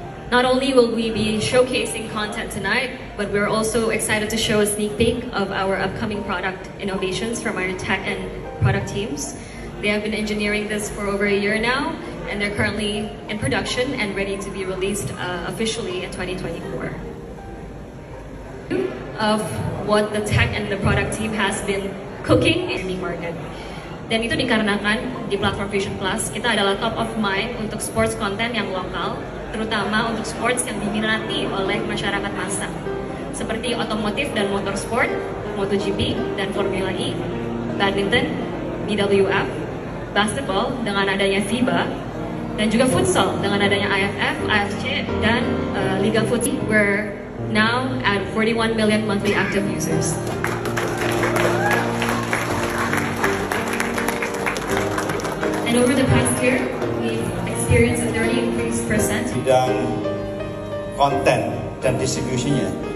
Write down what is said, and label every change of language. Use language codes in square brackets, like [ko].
[en] Not only will we be showcasing content tonight, but we're also excited to show a sneak peek of our upcoming product innovations from our tech and product teams. They have been engineering this for over a year now, and they're currently in production and ready to be released officially in 2024. Of what the tech and the product team has been cooking in the market. [id] Dan itu dikarenakan di platform Fusion Plus, kita adalah [en] top of mind [id] untuk sports content yang lokal, terutama untuk sports yang diminati oleh masyarakat massa, seperti otomotif dan motorsport, MotoGP dan Formula E, badminton, BWF, basketball dengan adanya FIBA, dan juga futsal dengan adanya IFF, AFC, dan Liga Futsi. [en] We're now at 41 million monthly active users. And over the past year, we've experienced a 30% [id] bidang konten dan distribusinya.